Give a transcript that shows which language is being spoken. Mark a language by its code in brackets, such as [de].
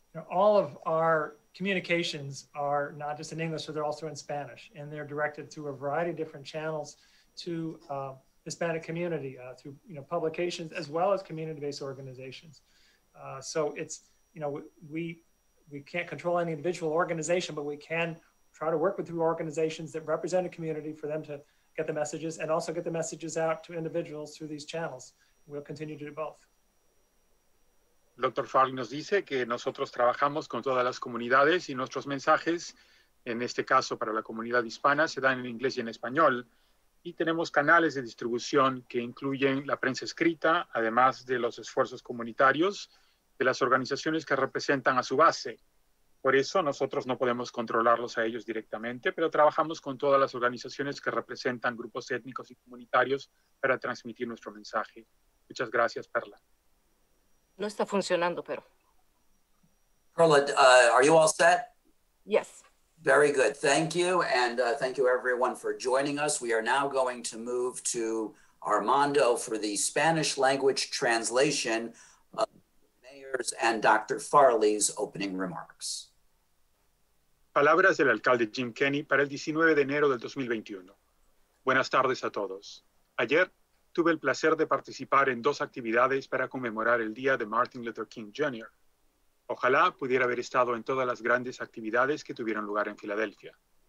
[en] All of our communications are not just in English, but they're also in Spanish, and they're directed through a variety of different channels to Hispanic community through publications as well as community-based organizations. So it's you know, we can't control any individual organization, but we can try to work with the organizations that represent a community for them to get the messages and also get the messages out to individuals through these channels. We'll continue to do both. Dr. [es] Farley nos dice que nosotros trabajamos con todas las comunidades y nuestros mensajes, en este caso para la comunidad hispana, se dan en inglés y en español. Y tenemos canales de distribución que incluyen la prensa escrita, además de los esfuerzos comunitarios de las organizaciones que representan a su base. Por eso nosotros no podemos controlarlos a ellos directamente, pero trabajamos con todas las organizaciones que representan grupos étnicos y comunitarios para transmitir nuestro mensaje. Muchas gracias, Perla. No está funcionando, pero. [en] Perla, are you all set? Yes. Very good. Thank you. And thank you, everyone, for joining us. We are now going to move to Armando for the Spanish language translation of Mayor's and Dr. Farley's opening remarks. [es] Palabras del alcalde Jim Kenney para el 19 de enero del 2021. Buenas tardes a todos. Ayer tuve el placer de participar en dos actividades para conmemorar el día de Martin Luther King Jr. Ojalá pudiera haber estado en todas las grandes actividades que tuvieron lugar en Filadelfia.